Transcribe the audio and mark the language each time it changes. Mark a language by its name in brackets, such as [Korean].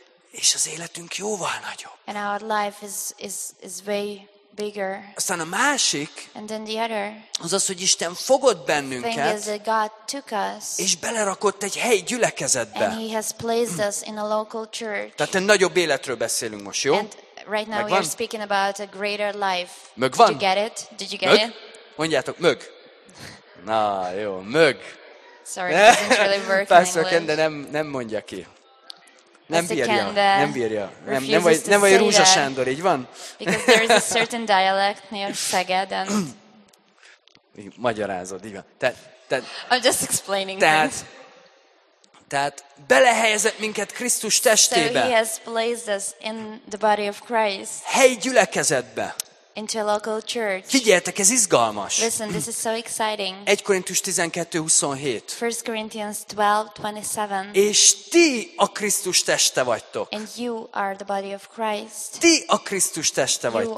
[Hungarian] És az életünk jóval nagyobb. [English] And our life is way bigger. [Hungarian] Aztán a másik, [English] and then the other, [Hungarian] az az, hogy Isten fogott bennünket, [English] thing is that God took us, [Hungarian] és belerakott egy helyi gyülekezetbe. [English] And he has placed us in a local church. [Hungarian] Tehát egy nagyobb életről beszélünk most, jó? [English] And right now we are speaking about a greater life. [Hungarian] Mög van. [English] Did you get it? Did you get [Hungarian] mög? [English] It? [Hungarian] Mondjátok, mög. Na, jó, mög. [English] Sorry, it doesn't really work in English. Pászor [Hungarian] Kende nem mondja ki. Nem bírja. Nem vagy Rúzsa Sándor, így van? [English] Because there is a certain dialect near Szeged, and... [Hungarian] Magyarázod, így van. Tehát, [English] I'm just explaining things. [Hungarian] Tehát belehelyezett minket Krisztus testébe. [English] So he has placed us in the body of Christ. [Hungarian] Helyi gyülekezetbe. [English] Into a local church. [Hungarian] Figyeljetek, ez izgalmas. [English] Listen, this is so exciting. [Hungarian] 1 Korintus 12:27. [English] 1 Corinthians 12:27. [Hungarian] És ti a Krisztus teste vagytok. [English] And you are the body of Christ. [Hungarian] Ti a Krisztus teste vagytok.